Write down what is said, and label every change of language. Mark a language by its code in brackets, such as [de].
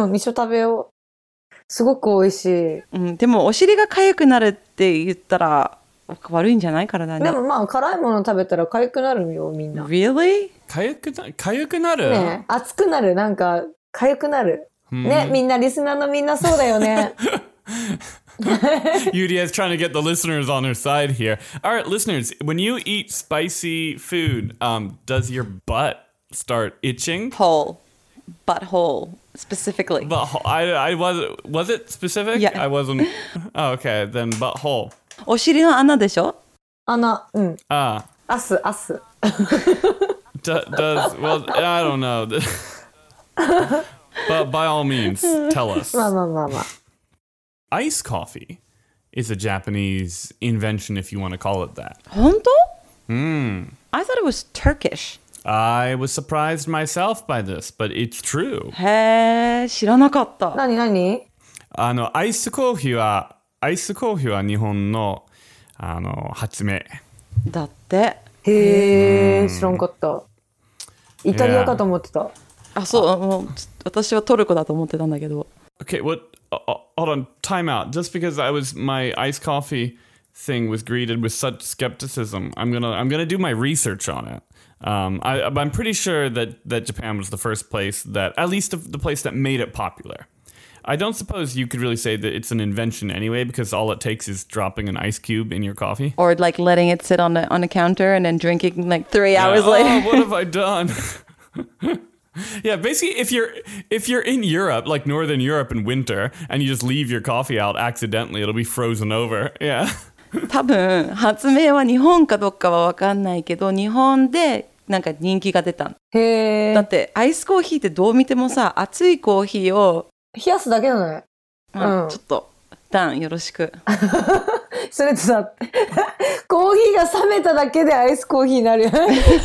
[ja] うん、一緒食べよう。すごく美味しい。うん、でもお尻が痒くなるって言ったら悪いんじゃない？体に。でもまあ、辛いもの食べたら痒くなるよ、みんな。 [en] Really？ [ja] 痒くなる？ね、熱くなる。なんか、痒くなる。ね、みんな、リスナーのみんなそうだよね。 [en] UDS trying to get the listeners on her side here. All right, listeners, when you eat spicy food, does your butt start itching? Butthole, specifically. Butthole. Was it specific? Yeah. I wasn't. Oh, okay, then butthole. [ja] お尻の穴でしょ？穴、うん。 ah. [en] アス。 does well? I don't know. But by all means, tell us. [ja] まあ。 [en] Ice coffee is a Japanese invention, if you want to call it that. [ja] 本当? Mm. [en] I thought it was Turkish. I was surprised myself by this, but it's true. [ja] へー、知らなかった。何? あの、アイスコーヒーは日本の、あの、発明。だって。へー、知らんかった。イタリアかと思ってた。 Yeah. あ、そう、もう、私はトルコだと思ってたんだけど。 [en] Okay, what? Hold on, time out. Just because my iced coffee thing was greeted with such skepticism, I'm gonna do my research on it. I'm pretty sure that Japan was the first place that, at least the place that made it popular. I don't suppose you could really say that it's an invention anyway, because all it takes is dropping an ice cube in your coffee. Or like letting it sit on a counter and then drinking like 3 hours later. Oh, what have I done? Yeah, basically, if you're in Europe, like Northern Europe in winter, and you just leave your coffee out accidentally, it'll be frozen over. Yeah. [ja] 多分発明は日本かどっかは分かんないけど、日本でなんか人気が出た。へえ。だってアイスコーヒーってどう見てもさ、熱いコーヒーを冷やすだけなのね。まあ、うん。ちょっとダンよろしく。それってさ、コーヒーが冷めただけでアイスコーヒーになるよね。